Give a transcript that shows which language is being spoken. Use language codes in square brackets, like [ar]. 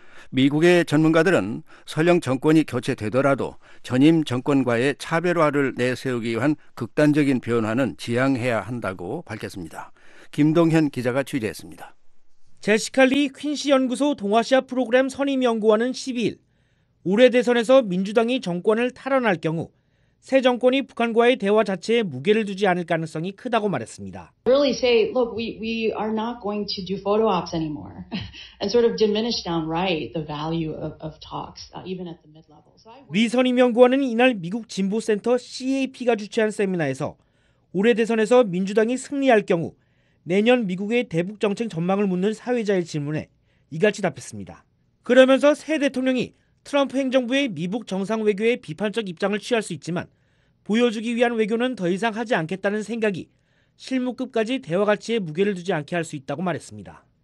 [ko] 미국의 전문가들은 설령 정권이 교체되더라도 전임 정권과의 차별화를 내세우기 위한 극단적인 변화는 지양해야 한다고 밝혔습니다. 김동현 기자가 취재했습니다. 제시카 리 퀸시 연구소 동아시아 프로그램 선임 연구원은 12일 올해 대선에서 민주당이 정권을 탈환할 경우 새 정권이 북한과의 대화 자체에 무게를 두지 않을 가능성이 크다고 말했습니다. [en] Really say, look, we are not going to do photo ops anymore, and sort of diminish downright the value of talks, even at the mid level. [ko] 리 선임 연구원은 이날 미국 진보 센터 CAP가 주최한 세미나에서 올해 대선에서 민주당이 승리할 경우 내년 미국의 대북 정책 전망을 묻는 사회자의 질문에 이같이 답했습니다. 그러면서 새 대통령이 트럼프 행정부의 미북 정상 외교에 비판적 입장을 취할 수 있지만 보여주기 위한 외교는 더 이상 하지 않겠다는 생각이 실무급까지 대화 가치에 무게를 두지 않게 할 수 있다고 말했습니다.